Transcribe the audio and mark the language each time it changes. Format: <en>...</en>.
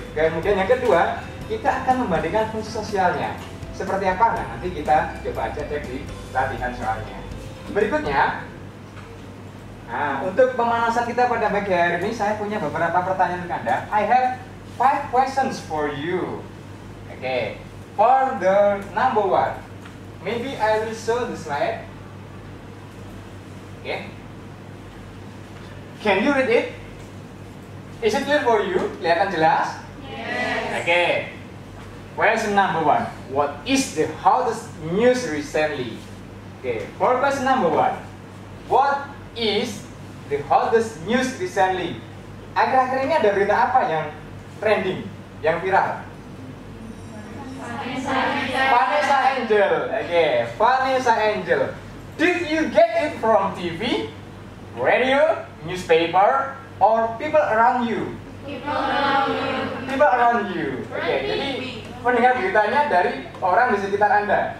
<id>Kemudian yang kedua, kita akan membandingkan fungsi sosialnya. Seperti apa? Nah, nanti kita coba aja cek di latihan soalnya. Berikutnya, nah, untuk pemanasan kita pada pagi hari ini, saya punya beberapa pertanyaan untuk Anda.</id> <en>I have 5 questions for you. Oke, okay. For the number 1, maybe I will show the slide. Okay. Can you read it? Is it clear for you?</en> <id>Kelihatan jelas?</id> <en>Yes. Okay. Question number 1. What is the hottest news recently? Okay. For question number 1. What is the hottest news recently?</en> <id>Akhir-akhir ini ada berita apa yang trending? Yang viral? Vanessa Angel.</id> <en>Okay, Vanessa Angel. Did you get it from TV, radio, newspaper, or people around you? People around you.</en> <id>Okay, jadi mendengar beritanya dari orang di sekitar Anda.</id>